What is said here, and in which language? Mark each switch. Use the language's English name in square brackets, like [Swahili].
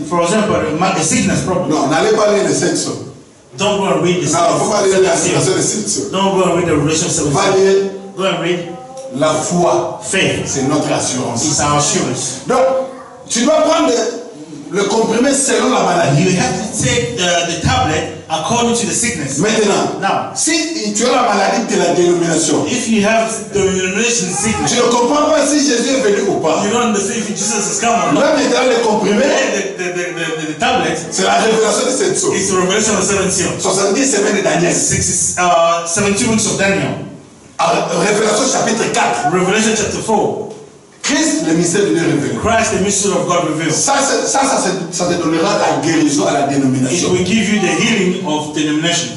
[English] For example, a sickness problem. [French] Non, n'allez pas lire le sexo. [English] Don't go and read the [French] sexo. Non, faut pas lire la situation de sexo. [English] Don't go and read the relationship. [French] Va lire. [English] Go and read. [French] La foi. [English] Faith. [French] C'est notre assurance. [English] It's our assurance. [French] Donc, tu dois prendre le comprimé selon la maladie. [English] You have to take the tablet according to the sickness. [French] Maintenant, [English] now, [French] si tu as la maladie de la dénomination, [English] if you have the denomination sickness, [French] tu ne comprends pas si Jésus est venu ou pas. [English] You don't understand if Jesus is coming or not. [French] Même étant le comprimé, [English] the tablet, [French] c'est la révélation de sept jours. [English] It's the revelation of 7 years. [French] 70 semaines de Daniel. [English] 72 weeks of Daniel. [French] Révélation chapitre 4. [English] Revelation chapter 4. [French] Christ, le mystère de Dieu révélé. [English] Christ, the mystery of God revealed. [French] Ça te donnera la guérison à la dénomination. [English] It will give you the healing of the denomination.